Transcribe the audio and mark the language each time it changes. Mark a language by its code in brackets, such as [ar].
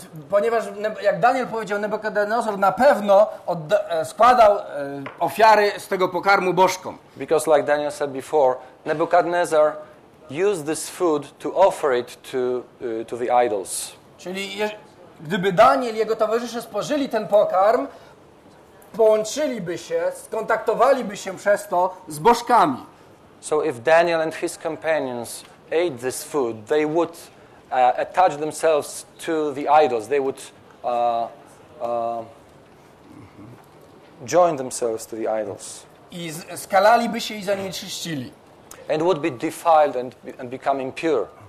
[pl] Ponieważ jak Daniel powiedział, Nebuchadnezzar na pewno składał ofiary z tego pokarmu bożkom. [en] Because like Daniel said before, Nebuchadnezzar used this food to offer it to the idols. [pl] Czyli gdyby Daniel i jego towarzysze spożyli ten pokarm, połączyliby się, skontaktowaliby się przez to z bożkami. [en] So if Daniel and his companions ate this food, they would attach themselves to the idols. They would join themselves to the idols. [pl] I skalaliby się i zanieczyścili. [en] And would be defiled and become impure.